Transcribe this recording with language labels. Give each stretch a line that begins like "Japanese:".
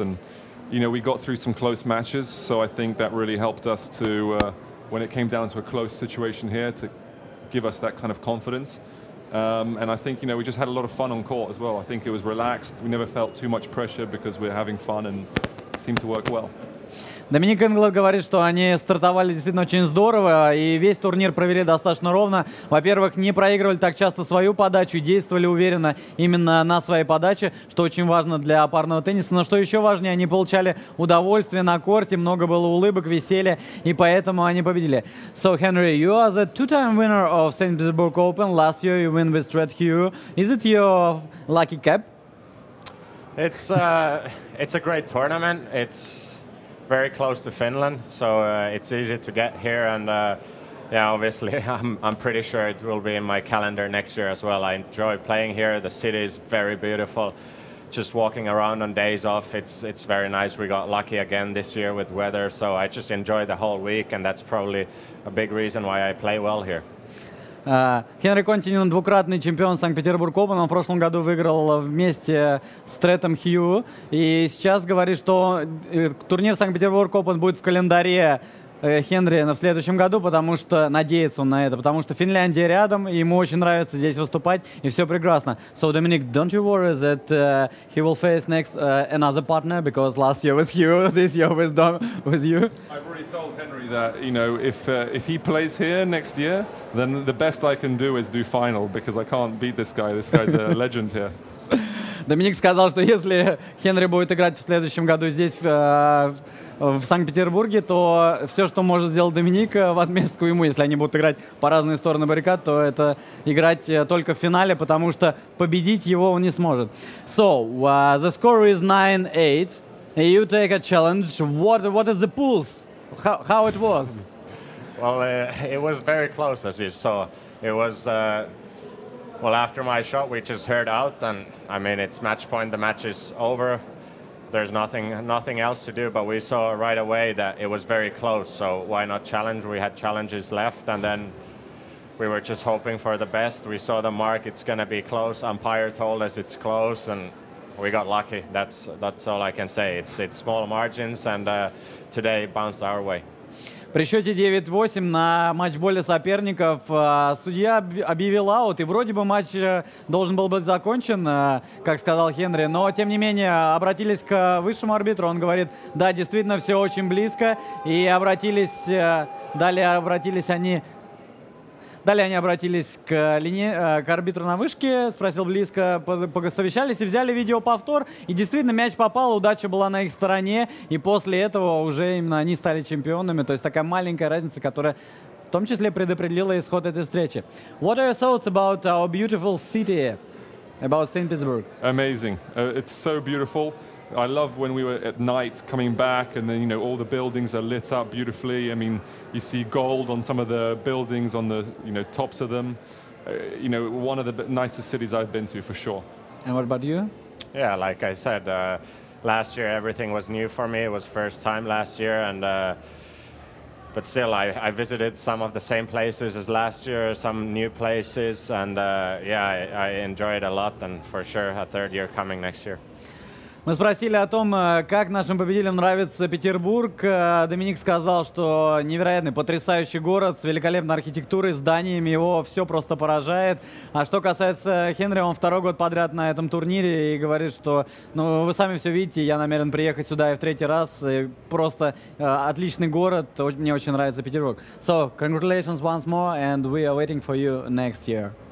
English: And you know, we got through some close matches, so I think that really helped us to. When it came down to a close situation here, to give us that kind of confidence. And I think, you know, we just had a lot of fun on court as well. I think it was relaxed. We never felt too much pressure because we're having fun and it seemed to work well.
Russian: Dominic Inglot говорит, что они стартовали действительно очень здорово и весь турнир провели достаточно ровно. Во-первых, не проигрывали так часто свою подачу, действовали уверенно именно на своей подаче, что очень важно для парного тенниса. Но что еще важнее, они получали удовольствие на корте, много было улыбок, веселья, и поэтому они победили.
English: So, Henri, you are the two-time winner of St. Petersburg Open. Last year you win with Red Hue. Is it your lucky cap? It's a great tournament. It's very close to Finland, so it's easy to get here, and yeah, obviously I'm pretty sure it will be in my calendar next year as well. I enjoy playing here. The city is very beautiful. Just walking around on days off, it's very nice. We got lucky again this year with weather, so I just enjoy the whole week, and that's probably a big reason why I play well here.
Russian: Henri Kontinen – двукратный чемпион Санкт-Петербург Open. Он в прошлом году выиграл вместе с Третом Хью. И сейчас говорит, что турнир Санкт-Петербург Open будет в календаре Henri в следующем году, потому что надеется он на это, потому что Финляндия рядом, и ему очень нравится здесь выступать, и все прекрасно.
English: So, Dominic, don't you worry that he will face next another partner, because last year with Hugh, this year with Dom, with you? I've already told Henri that, you know, if he plays here next year, then the best I can do is do final, because I can't beat this guy. This guy's a legend here.
Russian: Dominic сказал, что если Henri будет играть в следующем году здесь, в Санкт-Петербурге, то все, что может сделать Доминик в отместку ему, если они будут играть по разные стороны баррикад, то это играть только в финале, потому что победить его он не сможет.
English: So, the score is 9-8. You take a challenge. What is the pulse? How it was? Well, it was very close, as you saw. It was, well, after my shot, we just heard out, and, I mean, it's match point, the match is over. There's nothing else to do, but we saw right away that it was very close, so why not challenge? We had challenges left, and then we were just hoping for the best. We saw the mark, it's going to be close. Umpire told us it's close, and we got lucky. That's all I can say. It's small margins, and today bounced our way.
Russian: При счете 9-8 на матчболе соперников судья объявил аут, и вроде бы матч должен был быть закончен, как сказал Henri, но тем не менее обратились к высшему арбитру, он говорит, да, действительно все очень близко, и обратились к к арбитру на вышке, спросил близко, посовещались и взяли видеоповтор, и действительно мяч попал, удача была на их стороне, и после этого уже именно они стали чемпионами, то есть такая маленькая разница, которая в том числе предопределила исход этой встречи.
English: What are your thoughts about our beautiful city, about St. Petersburg? Amazing. It's so beautiful. I love when we were at night coming back, and then, you know, all the buildings are lit up beautifully. I mean, you see gold on some of the buildings, on the, you know, tops of them. You know, one of the nicest cities I've been to, for sure. And what about you? Yeah, like I said, last year everything was new for me. It was first time last year, and but still, I visited some of the same places as last year, some new places, and yeah, I enjoy it a lot, and for sure a third year coming next year.
Russian: Мы спросили о том, как нашим победителям нравится Петербург. Доминик сказал, что невероятный, потрясающий город с великолепной архитектурой, зданиями, его все просто поражает. А что касается Henri, он второй год подряд на этом турнире и говорит, что, ну, вы сами все видите, я намерен приехать сюда и в третий раз. И просто отличный город, мне очень нравится Петербург.
English: So, congratulations once more, and we are waiting for you next year.